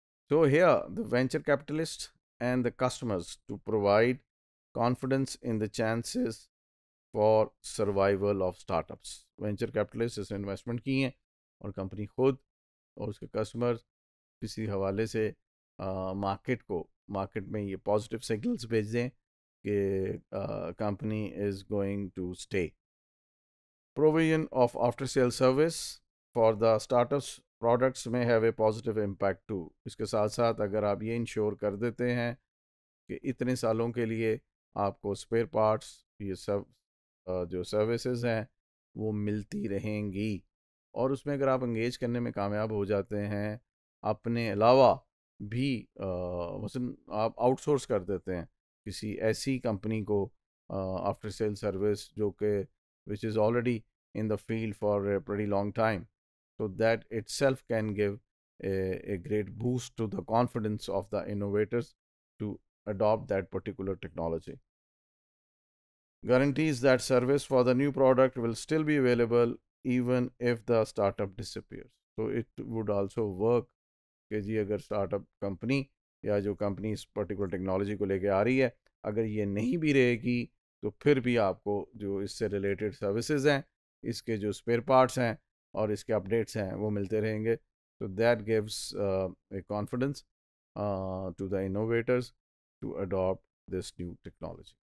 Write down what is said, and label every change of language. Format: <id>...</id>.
<en>So here the venture capitalist and the customers to provide confidence in the chances for survival of start ups.</en> <ur>Venture capitalist اس نے investment کی ہیں اور company خود اور اس کے customer کسی حوالے سے مارکیٹ کو مارکیٹ میں یہ پازیٹیو سگنلس بھیج دیں کہ company</ur> <en>Is going to stay. Provision of after sale service for the start ups products میں have a positive impact too.</en> <ur>اس کے ساتھ ساتھ اگر آپ یہ انشور کر دیتے ہیں کہ اتنے سالوں کے لیے آپ کو اسپیئر پارٹس یہ سب جو سروسز ہیں وہ ملتی رہیں گی, اور اس میں اگر آپ انگیج کرنے میں کامیاب ہو جاتے ہیں اپنے علاوہ بھی مثلا آپ آؤٹ سورس کر دیتے ہیں کسی ایسی کمپنی کو آفٹر سیل سروس جو کہ</ur> <en>which is already in the field for pretty long time,</en> <ur>تو</ur> <en>That itself can give a great boost to the confidence of the innovators to adapt that particular technology. Guarantees that service for the new product will still be available even if the startup disappears. So it would also work</en> <ur>کہ جی اگر start up company یا جو company اس particular technology کو لے کے آ رہی ہے اگر یہ نہیں بھی رہے گی تو پھر بھی آپ کو جو اس سے ریلیٹڈ سروسز ہیں, اس کے جو اسپیئر پارٹس ہیں اور اس کے اپڈیٹس ہیں وہ ملتے رہیں گے.</ur> <en>تو that gives a confidence to the innovators to adapt this new technology.</en>